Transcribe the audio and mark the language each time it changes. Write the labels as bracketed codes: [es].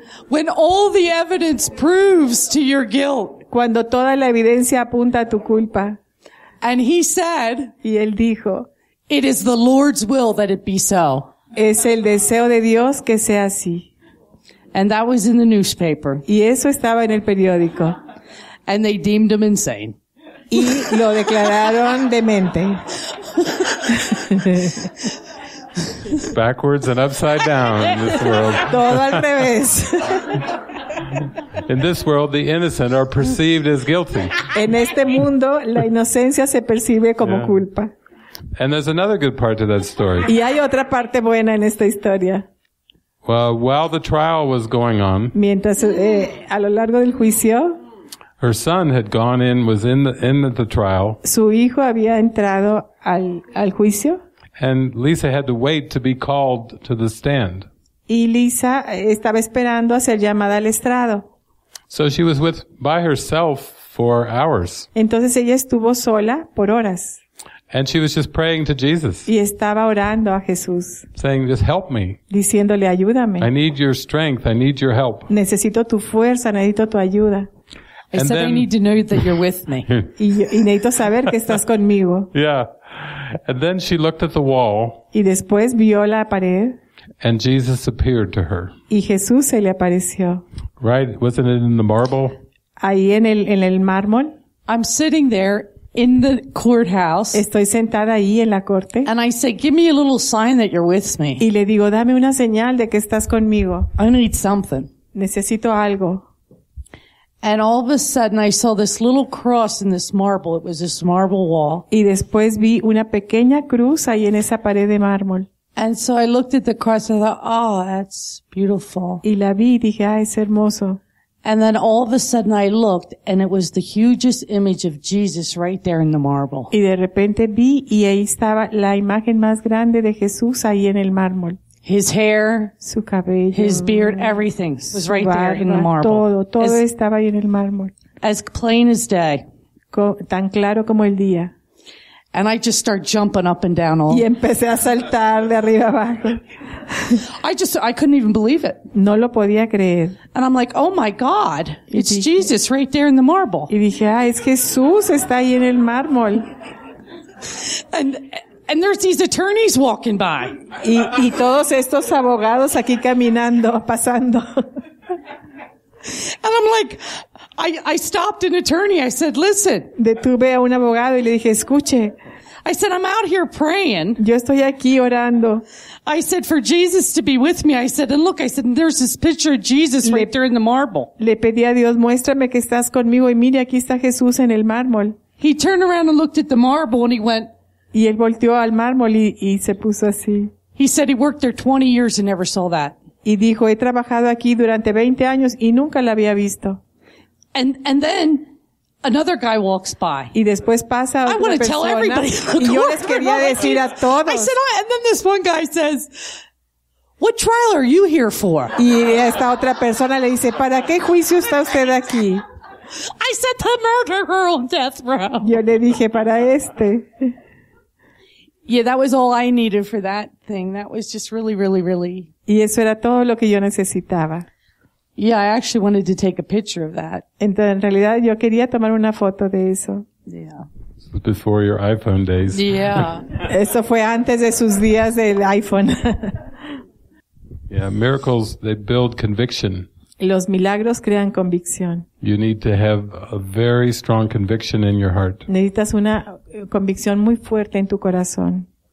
[en] When all the evidence proves to your guilt. [es] Cuando toda la evidencia apunta a tu culpa. [en] And he said, [es] y él dijo, [en] "It is the Lord's will that it be so." [es] Es el deseo de Dios que sea así. [en] And that was in the newspaper. [es] Y eso estaba en el periódico. [en] And they deemed him insane. [es] Y lo declararon demente. [en] Backwards and upside down in this world. [es] Todo al revés. [en] In this world, the innocent are perceived as guilty. [es] En este mundo, la inocencia se percibe como culpa. [en] And there's another good part to that story. [es] Y hay otra parte buena en esta historia. [en] Well, while the trial was going on, [es] mientras a lo largo del juicio, [en] her son had gone in, was in the trial. [es] Su hijo había entrado al juicio. [en] And Lisa had to wait to be called to the stand. [es] Y Lisa estaba esperando a ser llamada al estrado. [en] So she was with by herself for hours. [es] Entonces ella estuvo sola por horas. [en] And she was just praying to Jesus. [es] Y estaba orando a Jesús. [en] Saying, just help me. [es] Diciéndole, ayúdame. [en] I need your strength. I need your help. [es] Necesito tu fuerza. Necesito tu ayuda. [en] And I said, then, I need to know that you're with me. [es] y necesito saber que estás conmigo. [en] Yeah. And then she looked at the wall. [es] Y después vio la pared. [en] And Jesus appeared to her. [es] Y Jesús se le apareció. [en] Right? Wasn't it in the marble? [es] Ahí en el mármol. [en] I'm sitting there in the courthouse. [es] Estoy sentada ahí en la corte. [en] And I say, give me a little sign that you're with me. [es] Y le digo, dame una señal de que estás conmigo. [en] I need something. [es] Necesito algo. [en] And all of a sudden I saw this little cross in this marble. It was this marble wall. [es] Y después vi una pequeña cruz ahí en esa pared de mármol. [en] And so I looked at the cross and I thought, oh, that's beautiful. [es] Y la vi y dije, ah, es hermoso. [en] And then all of a sudden I looked and it was the hugest image of Jesus right there in the marble. [es] Y de repente vi y ahí estaba la imagen más grande de Jesús ahí en el mármol. [en] His hair, [es] su cabello, [en] his beard, everything was right [es] barba, [en] there in the marble. [es] Todo, todo estaba ahí en el mármol. [en] As plain as day. [es] Tan claro como el día. [en] And I just start jumping up and down all. [es] Y empecé a saltar de arriba abajo. [en] I couldn't even believe it. [es] No lo podía creer. [en] And I'm like, oh my God, it's dije, Jesus right there in the marble. [es] Y dije, ah, es Jesús está ahí en el mármol. [en] And there's these attorneys walking by. [es] Y todos estos abogados aquí caminando, pasando. [en] And I'm like, I stopped an attorney. I said, listen. [es] Detuve a un abogado y le dije, escuche. [en] I said, I'm out here praying. [es] Yo estoy aquí orando. [en] I said, for Jesus to be with me. I said, and look, I said, there's this picture of Jesus right there in the marble. [es] Le pedí a Dios, muéstrame que estás conmigo y mire, aquí está Jesús en el mármol. [en] He turned around and looked at the marble and he went, [es] y él volteó al mármol y se puso así. [en] He said he worked there 20 years and never saw that. [es] Y dijo, he trabajado aquí durante 20 años y nunca la había visto. [en] And then another guy walks by. [es] Y después pasa otra persona. [en] I want to tell everybody. [es] Y yo les quería decir a todos. [en] I said, oh, and then this one guy says, what trial are you here for? [es] Y esta otra persona le dice, ¿para qué juicio está usted aquí? [en] I said, the murderer on death row. [es] Yo le dije, para este. [en] Yeah, that was all I needed for that thing. That was just really, really, really. [es] Y eso era todo lo que yo necesitaba. [en] Yeah, I actually wanted to take a picture of that. [es] Entonces, en realidad, yo quería tomar una foto de eso. [en] Yeah. This was before your iPhone days. Yeah. [es] Eso fue antes de sus días del iPhone. [en] Yeah, miracles, they build conviction. [es] Los milagros crean convicción. [en] You need to have a very strong conviction in your heart. [es] Necesitas una convicción muy fuerte en tu corazón.